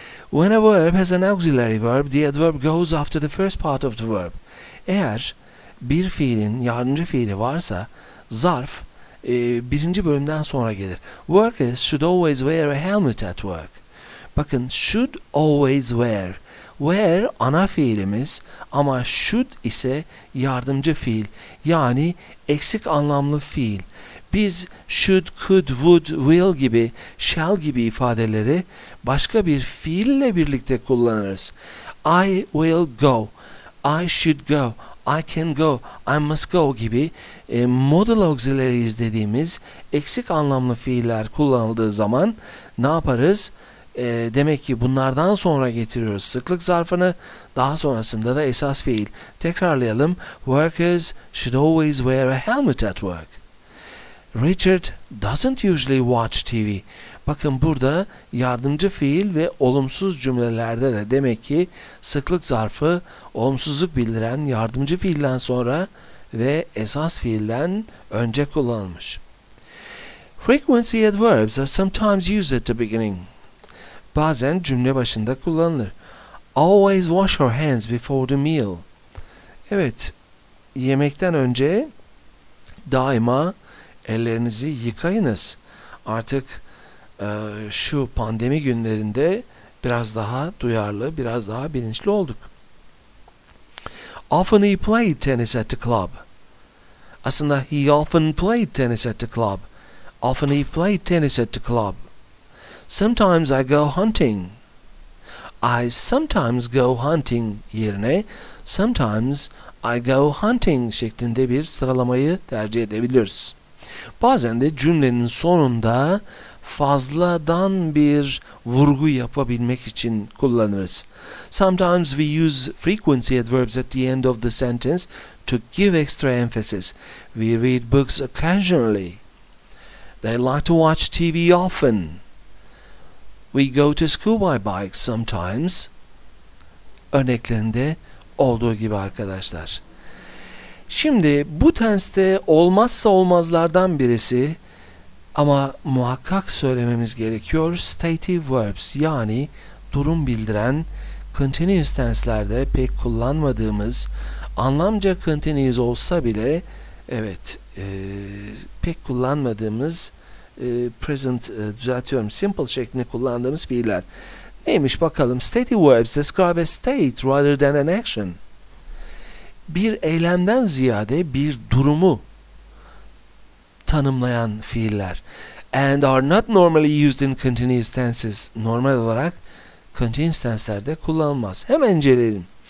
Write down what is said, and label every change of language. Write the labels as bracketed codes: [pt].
[en] When a verb has an auxiliary verb, the adverb goes after the first part of the verb. [tr] Eğer bir fiilin yardımcı fiili varsa zarf birinci bölümden sonra gelir. [en] Workers should always wear a helmet at work. [tr] Bakın, [en] should always wear. [tr] Wear ana fiilimiz ama should ise yardımcı fiil. Yani eksik anlamlı fiil. Biz should, could, would, will gibi, shall gibi ifadeleri başka bir fiille birlikte kullanırız. [en] I will go. I should go. I can go, I must go [tr] gibi modal auxiliaries dediğimiz eksik anlamlı fiiller kullanıldığı zaman ne yaparız? Demek ki bunlardan sonra getiriyoruz sıklık zarfını, daha sonrasında da esas fiil. Tekrarlayalım. [en] Workers should always wear a helmet at work. Richard doesn't usually watch TV. [tr] Bakın, burada yardımcı fiil ve olumsuz cümlelerde de demek ki sıklık zarfı olumsuzluk bildiren yardımcı fiilden sonra ve esas fiilden önce kullanılmış. [en] Frequency adverbs are sometimes used at the beginning. [tr] Bazen cümle başında kullanılır. [en] Always wash your hands before the meal. [tr] Evet, yemekten önce daima ellerinizi yıkayınız. Artık şu pandemi günlerinde biraz daha duyarlı, biraz daha bilinçli olduk. [en] Often he played tennis at the club. Aslında he often played tennis at the club. Often he played tennis at the club. Sometimes I go hunting. I sometimes go hunting yerine sometimes I go hunting [tr] şeklinde bir sıralamayı tercih edebiliriz. Bazen de cümlenin sonunda fazladan bir vurgu yapabilmek için kullanırız. [en] Sometimes we use frequency adverbs at the end of the sentence to give extra emphasis. We read books occasionally. They like to watch TV often. We go to school by bike sometimes. [tr] Örneklerinde olduğu gibi arkadaşlar. Şimdi bu tenste olmazsa olmazlardan birisi ama muhakkak söylememiz gerekiyor. Stative verbs, yani durum bildiren continuous tenslerde pek kullanmadığımız, anlamca continuous olsa bile evet pek kullanmadığımız present düzeltiyorum simple şeklinde kullandığımız fiiller. Neymiş bakalım? [en] Stative verbs describe a state rather than an action. [tr] Bir eylemden ziyade bir durumu tanımlayan fiiller. [en] And are not normally used in continuous tenses. [tr] Normal olarak continuous tenslerde kullanılmaz. Hemen inceleyelim.